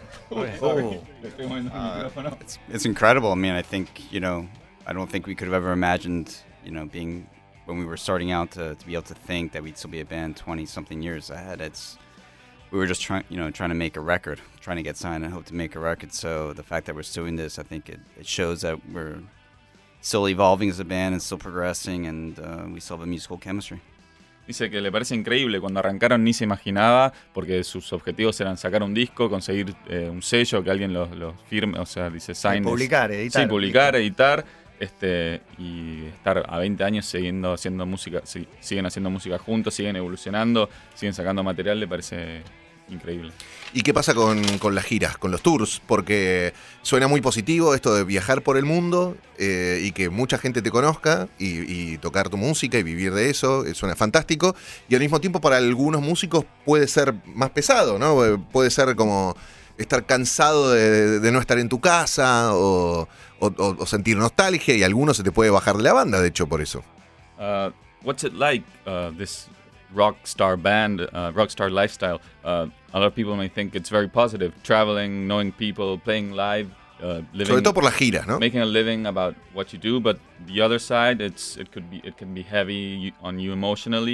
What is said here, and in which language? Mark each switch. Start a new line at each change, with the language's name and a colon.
English: It's incredible. I mean, I think, you know, I don't think we could have ever imagined, you know, being when we were starting out to be able to think that we'd still be a band 20 something years ahead. We were just trying to make a record, trying to get signed, and hope to make a record. So the fact that we're still doing this, I think it shows that we're still evolving as a band and still progressing, and we still have a musical chemistry.
Spanish: Dice que le parece increíble. Cuando arrancaron ni se imaginaba, porque sus objetivos eran sacar un disco, conseguir un sello, que alguien lo firme, o sea, dice sign. Y publicar, editar. Sí, publicar, editar. Y estar a 20 años siguen haciendo música juntos, siguen evolucionando, siguen sacando material, le parece increíble. ¿Y qué pasa con las giras, con los tours? Porque suena muy positivo esto de viajar por el mundo y que mucha gente te conozca y tocar tu música y vivir de eso, suena fantástico. Y al mismo tiempo para algunos músicos puede ser más pesado, ¿no? Puede ser como estar cansado de no estar en tu casa o sentir nostalgia, y algunos se te puede bajar de la banda, de hecho, por eso.
English: What's it like, this rock star band, rock star lifestyle? A lot of people may think it's very positive, traveling, knowing people, playing live, living,
Spanish: sobre todo por la gira, ¿no?
English: Making a living about what you do. But the other side, it can be heavy on you emotionally.